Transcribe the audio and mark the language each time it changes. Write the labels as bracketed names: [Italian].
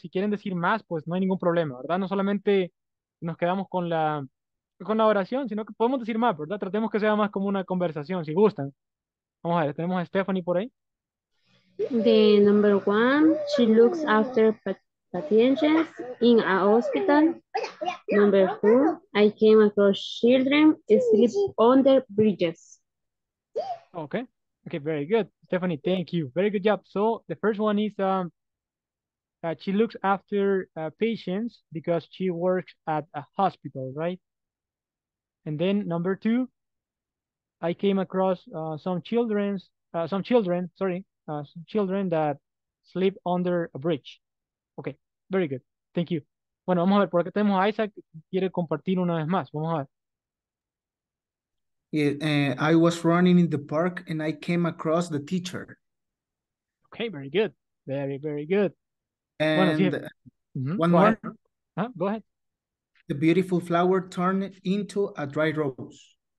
[Spanish] Si quieren decir más, pues no hay ningún problema, ¿verdad? No solamente nos quedamos con la oración, sino que podemos decir más, ¿verdad? Tratemos que sea más como una conversación, si gustan. Vamos a ver, tenemos a Stephanie por ahí. [English] The number one, she looks after patients in a hospital. Number two, I came across children sleep on the bridges. Okay. Okay, very good. Stephanie, thank you. Very good job. So the first one is she looks after patients because she works at a hospital, right? And then number two, I came across some children that sleep under a bridge. Okay, very good. Thank you. [Spanish] Bueno, vamos a ver, por acá tenemos a Isaac, quiere compartir una vez más. Vamos a ver. [English] I was running in the park and I came across the teacher. Okay, very good. Very, very good. And one more. Go ahead. The beautiful flower turned into a dry rose.